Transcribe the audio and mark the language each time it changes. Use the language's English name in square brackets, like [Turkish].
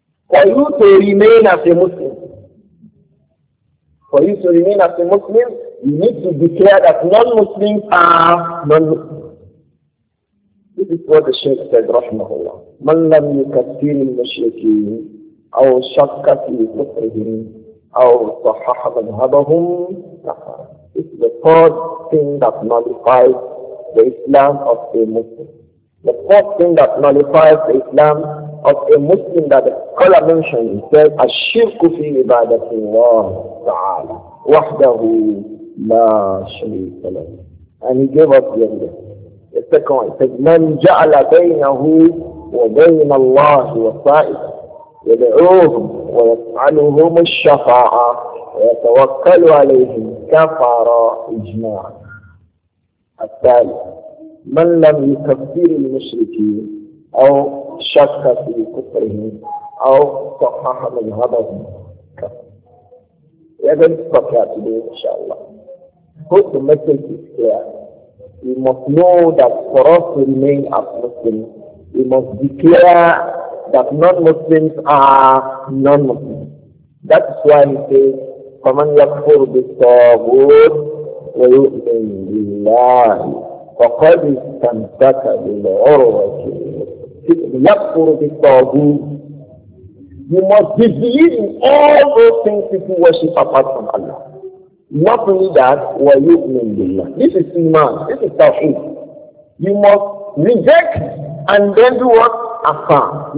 [English] For you to remain as a Muslim. For you to remain as a Muslim, you need to declare that non-Muslims are non-Muslims. This is what the Shaykh said, rahmahullah. [Arabic] Man lam yukathirin mashyakin. أو شك في كفرهم أو صحح مذهبهم كفر. [English] It's the third thing that nullifies the Islam of a Muslim. The fourth thing that nullifies the Islam of a Muslim that the scholar mentioned is that [Arabic] الشرك في عبادة الله تعالى وحده لا شريك له. [English] And he gave us the idea. The second one says [Arabic] من جعل بينه وبين الله وصائف يدعوهم ويسألهم الشفاعة ويتوكل عليهم كفر إجماعا. الثالث من لم يكفر المشركين أو شك في كفرهم أو صحح مذهبهم كفر. [English] We are going to talk here today, inshallah. Put the message clear. We must know that for us to remain as Muslims, we must declare that non-Muslims are non-Muslims. That is why he says, [Arabic] فَمَنْ يَكْفُرُ بِالطَّاغُوتِ وَيُؤْمِنْ بِاللَّهِ فَقَدْ اسْتَمْسَكَ بِالْعُرْوَةِ الْوُثْقَى. يَكْفُرُ بِالطَّاغُوتِ. [English] You must believe in all those things people worship apart from Allah. Not only that, [Arabic] وَيُؤْمِنْ بِاللَّهِ. [English] This is iman, this is tawhid. You must reject and then do what? Affirm.